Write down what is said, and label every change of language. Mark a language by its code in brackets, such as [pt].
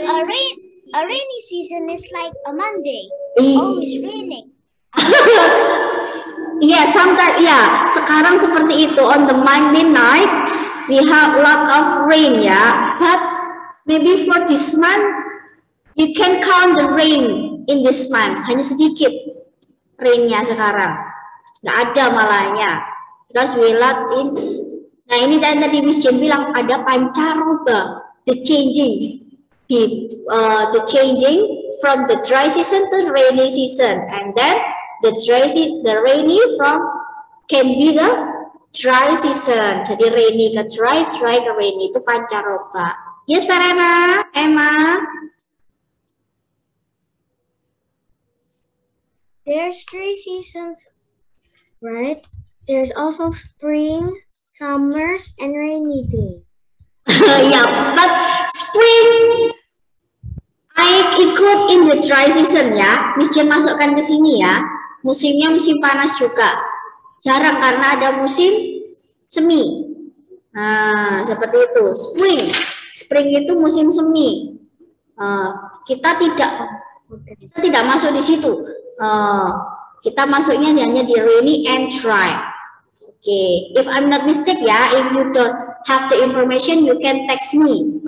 [en] A rainy season is like a Monday. Always raining. [id] Iya, [en] yeah, sometimes, [id] iya. Yeah. Sekarang seperti itu. [en] On the Monday night, we have lot of rain, ya. Yeah. But maybe for this month, you can count the rain in this month. [id] Hanya sedikit rainnya sekarang. Nggak ada malahnya. [en] Because we love in. [id] Nah, ini tadi Miss Jen bilang ada pancaroba. [en] The changing from the dry season to rainy season. And then the rainy from can be the dry season. [id] Jadi rainy ke dry, dry ke rainy. Itu pancaroba. [en] Yes, Farana? Emma? There's three seasons. Right, there's also spring, summer, and rainy day. Yeah, but spring I include in the dry season ya. [id] Miss Jen masukkan ke sini ya. Musimnya musim panas juga. Jarang karena ada musim semi. Nah, seperti itu. Spring itu musim semi. Kita tidak masuk di situ. Kita masuknya hanya di rainy and dry. [en] Okay, if I'm not mistaken ya, if you don't have the information, you can text me.